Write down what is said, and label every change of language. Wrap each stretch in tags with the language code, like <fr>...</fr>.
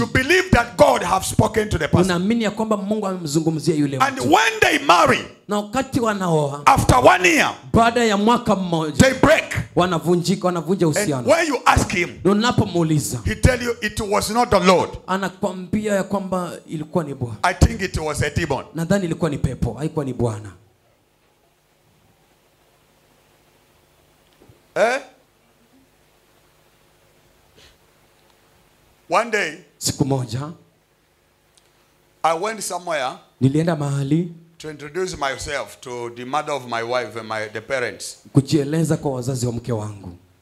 <en>You believe that God have spoken to the pastor.</en> <sw>Unaamini ya kwamba Mungu amemzungumzia yule mtu.</sw> <en>And when they marry.</en> <sw>Na wakati wanaoa.</sw> <en>After 1 year.</en> <sw>Baada ya mwaka mmoja.</sw> <en>They break.</en> <sw>Wanavunjika, wanavunja uhusiano.</sw> <en>When you ask him.</en> <sw>Unapomuuliza.</sw> <en>He tell you it was not the Lord.</en> <sw>Anakwambia ya kwamba ilikuwa ni Bwana.</sw> <en>I think it was a demon.</en> <sw>Nadhani ilikuwa ni pepo, haikuwa ni Bwana. Eh?</sw> <en>One day,</en> <sw>siku moja,</sw> <en>I went somewhere.</en> <sw>Nilienda mahali</sw> <en>to introduce myself to the mother of my wife and the parents.</en> <sw>Kujieleza kwa wazazi wa mke wangu.</sw>